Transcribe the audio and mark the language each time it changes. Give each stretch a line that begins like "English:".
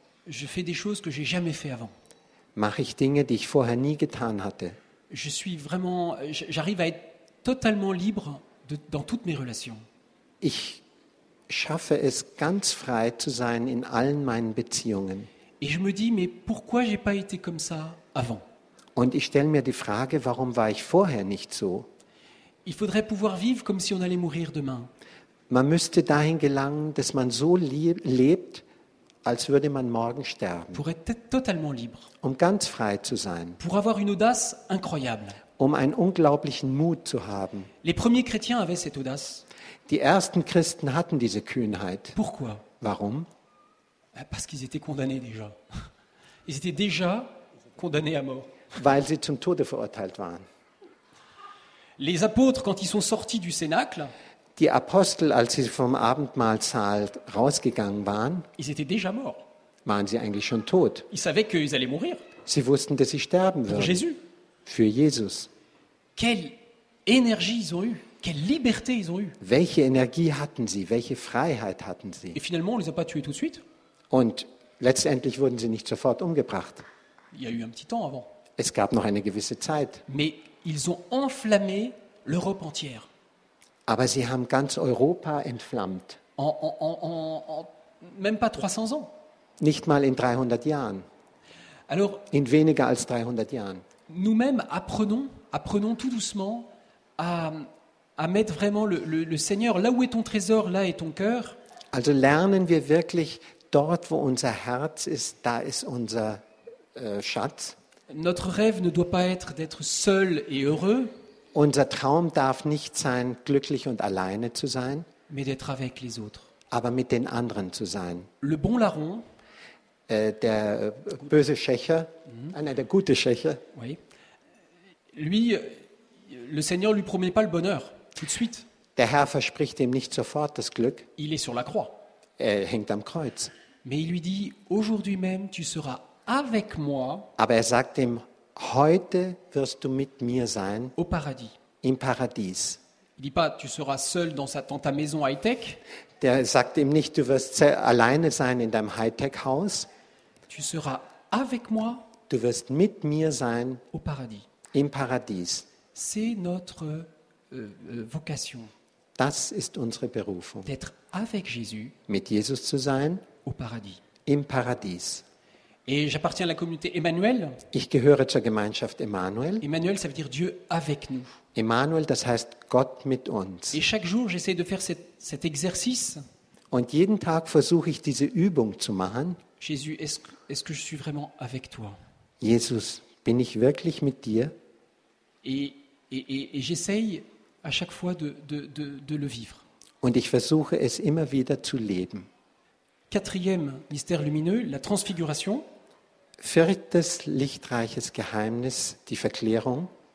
French: je fais des choses que j'ai jamais fait avant.
German: Mache ich Dinge, die ich vorher nie getan hatte.
French: Je suis vraiment, j'arrive à être totalement libre dans toutes mes relations.
German: Ich schaffe es, ganz frei zu sein in allen meinen Beziehungen.
French: Et je me dis, mais pourquoi j'ai pas été comme ça avant?
German: Und ich stelle mir die Frage, warum war ich vorher nicht so?
French: Il faudrait pouvoir vivre comme si on allait mourir demain.
German: Man müsste dahin gelangen, dass man so lebt, als würde man morgen sterben.
French: Pour être totalement libre.
German: Um ganz frei zu sein.
French: Pour avoir une audace incroyable.
German: Um einen unglaublichen Mut zu haben.
French: Les premiers chrétiens avaient cette audace.
German: Die ersten Christen hatten diese Kühnheit.
French: Pourquoi?
German: Warum?
French: Parce qu'ils étaient condamnés déjà. Ils étaient déjà condamnés à mort.
German: Weil sie zum Tode verurteilt waren.
French: Les apôtres, quand ils sont sortis du Cénacle,
German: die Apostel, als sie vom Abendmahlsaal rausgegangen waren,
French: ils étaient déjà morts.
German: Waren sie eigentlich schon tot.
French: Ils savaient qu'ils allaient mourir.
German: Sie wussten, dass sie sterben
French: pour
German: würden.
French: Jésus.
German: Für Jesus.
French: Quelle énergie ils ont eu. Quelle liberté ils ont eu.
German: Welche Energie hatten sie? Welche Freiheit hatten sie?
French: Et finalement, on les a pas tués tout de suite.
German: Und letztendlich wurden sie nicht sofort umgebracht.
French: Il y a eu un petit temps avant.
German: Es gab noch eine gewisse Zeit.
French: Mais ils ont enflammé l'Europe entière.
German: Aber sie haben ganz Europa entflammt.
French: En même pas 300 ans.
German: Nicht mal in 300 Jahren.
French: Alors,
German: in weniger als 300 Jahren.
French: Nous-mêmes apprenons tout doucement à mettre vraiment le Seigneur là où est ton trésor, là est ton cœur.
German: Also lernen wir wirklich dort, wo unser Herz ist, da ist unser Schatz.
French: Notre rêve ne doit pas être d'être seul et heureux.
German: Unser Traum darf nicht sein, glücklich und alleine zu sein.
French: Mais d'être avec les autres.
German: Aber mit den anderen zu sein.
French: Le bon larron.
German: Der böse Schächer. Mm-hmm. Nein, der gute Schächer.
French: Oui. Lui, le Seigneur lui promet pas le bonheur tout de suite.
German: Der Herr verspricht ihm nicht sofort das Glück.
French: Il est sur la croix.
German: Er hängt am Kreuz.
French: Mais il lui dit, aujourd'hui même, tu seras avec moi.
German: Aber er sagt ihm, heute wirst du mit mir sein.
French: Au paradis.
German: Im Paradies.
French: Il dit pas, tu seras seul dans ta maison high-tech.
German: Der sagt ihm nicht, du wirst alleine sein in deinem High-Tech-Haus.
French: Tu seras avec moi.
German: Du wirst mit mir sein.
French: Au paradis.
German: Im Paradies.
French: C'est notre vocation.
German: Das ist unsere Berufung.
French: D'être avec Jésus.
German: Mit Jesus zu sein.
French: Au paradis.
German: Im Paradies.
French: Et j'appartiens à la communauté Emmanuel.
German: Ich gehöre zur Gemeinschaft Emmanuel.
French: Emmanuel, ça veut dire Dieu avec nous.
German: Emmanuel, das heißt Gott mit uns.
French: Et chaque jour, j'essaie de faire cet exercice.
German: Und jeden Tag versuche ich diese Übung zu machen.
French: Jésus, est-ce que je suis vraiment avec toi?
German: Jesus, bin ich wirklich mit dir?
French: Et j'essaie à chaque fois de le vivre.
German: Und ich versuche es immer wieder zu leben.
French: Quatrième mystère lumineux, la transfiguration.
German: Viertes lichtreiches Geheimnis, die Verklärung.